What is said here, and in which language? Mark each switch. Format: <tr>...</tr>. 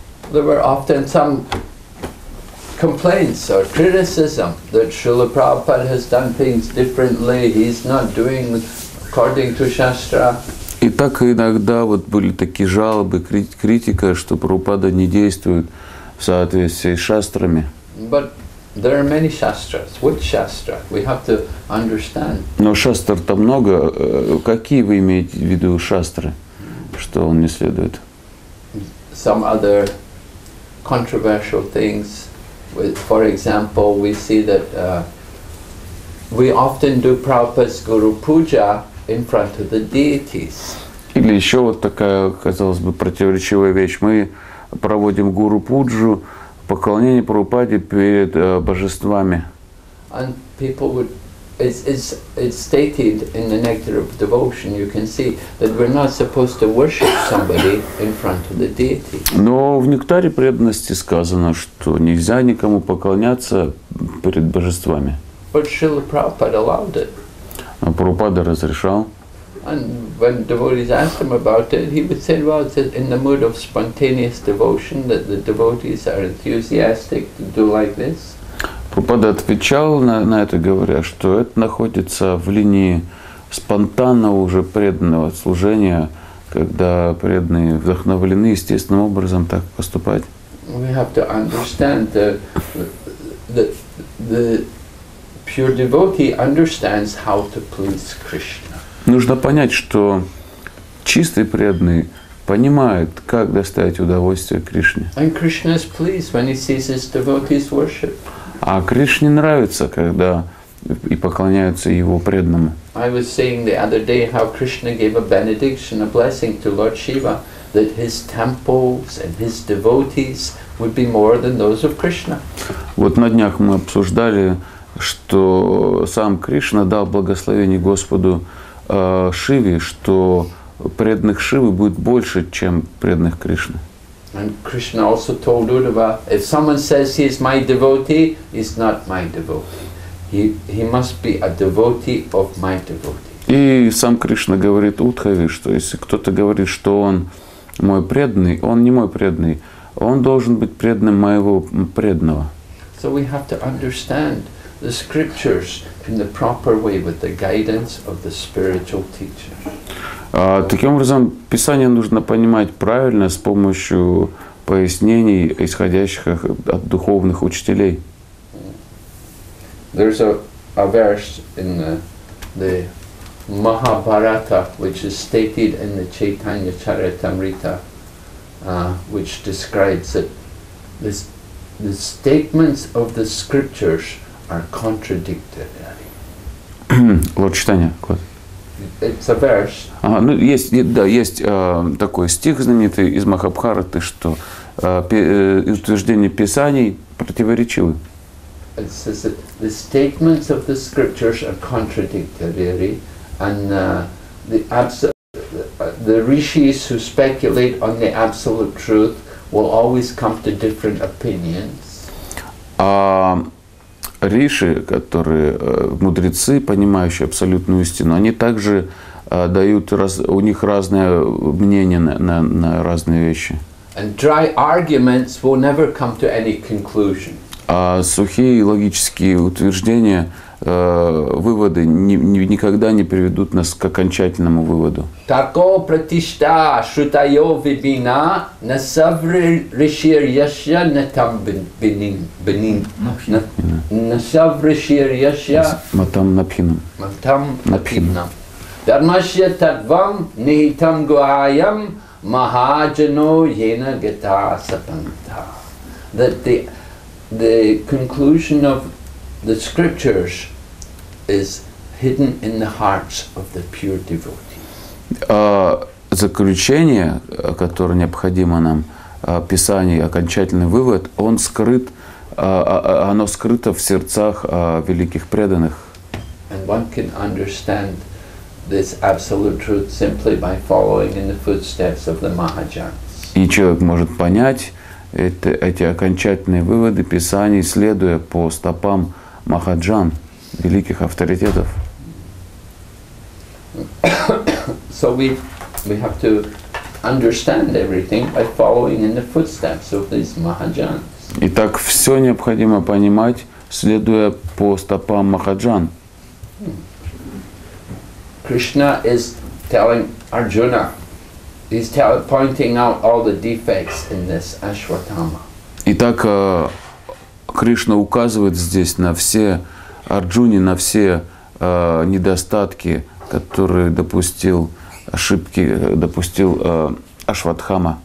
<en>There were often some complaints or criticism that Srila Prabhupada has done things differently, he's not doing according to Shastra.</en> <ru>И так иногда вот были такие жалобы, критика, что Прабхупада не действует в соответствии с шастрами.</ru> <en>But there are many shastras. Which shastra? We have to understand.</en> <ru>Но шастр-то много. Какие вы имеете в виду шастры, что он не следует?</ru> <en>Some other controversial things. For example, we see that we often do Prabhupada's Guru Puja in front of the deities.</en> <ru>Или еще вот такая, казалось бы, противоречивая вещь. Мы проводим Гуру Пуджу, поклонение Прабхупаде перед божествами.</ru> <en>And people would, it's stated in the Nectar of Devotion, you can see that we're not supposed to worship somebody in front of the deity.</en> <ru>Но в Нектаре преданности сказано, что нельзя никому поклоняться перед божествами.</ru> <en>But Srila Prabhupada allowed it.</en> <ru>Но Прабхупада разрешал.</ru> <en>And when devotees asked him about it, he would say, well, it's in the mood of spontaneous devotion that the devotees are enthusiastic to do like this.</en> <ru>Прабхупада отвечал на это, говоря, что это находится в линии спонтанного уже преданного служения, когда преданные вдохновлены естественным образом так поступать.</ru> <en>We have to understand the pure devotee understands how to please Krishna.</en> <ru>Нужно понять, что чистый преданный понимает, как доставить удовольствие Кришне.</ru> <en>And Krishna is pleased when he sees his devotees worship.</en> <ru>А Кришне нравится, когда и поклоняются его преданному.</ru> <en>I was saying the other day how Krishna gave a benediction, a blessing to Lord Shiva, that his temples and his devotees would be more than those of Krishna.</en> <ru>Вот на днях мы обсуждали, что сам Кришна дал благословение Господу Шиве, что преданных Шивы будет больше, чем преданных Кришны.</ru> <en>And Krishna also told Uddhava, if someone says he is my devotee, he's not my devotee. He must be a devotee of my devotee.</en> <ru>И сам Кришна говорит Удхаве, что если кто-то говорит, что он мой преданный, он не мой преданный, он должен быть преданным моего преданного.</ru> <en>So we have to understand the scriptures in the proper way with the guidance of the spiritual teacher.</en> <ru>Таким образом, Писание нужно понимать правильно с помощью пояснений, исходящих от духовных учителей.</ru> <en>There's a verse in the Mahabharata, which is stated in the Chaitanya Charitamrita, which describes that the statements of the scriptures are contradictory.</en> <ru>Лорд Чайтанья, вот.</ru> <en>It's a verse.</en> <ru>Есть такой стих знаменитый из Махабхараты, что утверждения Писаний противоречивы.</ru> <en>it says that the statements of the scriptures are contradictory, and the rishis who speculate on the absolute truth will always come to different opinions.</en> <ru>Риши, которые мудрецы, понимающие абсолютную истину, они также у них разные мнения на разные вещи.</ru> <en>And dry arguments will never come to any conclusion.</en> <ru>А сухие логические утверждения, выводы никогда не приведут нас к окончательному выводу.</ru> <sa>Тако пратишта шутайо вибина на саври решир яша на там бенин. На саври решир яша матам напхинам. Матам напхинам. Дармашья тадвам нитам гуаям махаджано йена гета сапанта.</sa> <en>That the conclusion of the scriptures is hidden in the hearts of the pure devotees.</en> <ru>Заключение, которое необходимо нам, писание, окончательный вывод, он скрыт, оно скрыто в сердцах великих преданных.</ru> <en>And one can understand this absolute truth simply by following in the footsteps of the Mahajans.</en> <ru>И человек может понять эти окончательные выводы писаний, следуя по стопам Махаджан, великих авторитетов.</ru> <en>So we have to understand everything by following in the footsteps of these Mahajans.</en> <ru>Итак, все необходимо понимать, следуя по стопам Махаджан.</ru> <en>Krishna is telling Arjuna, he's pointing out all the defects in this Ashwatthama.</en> <ru>Итак, Кришна указывает здесь на все Арджуне, на все недостатки, которые допустил, ошибки допустил Ашватхама.</ru>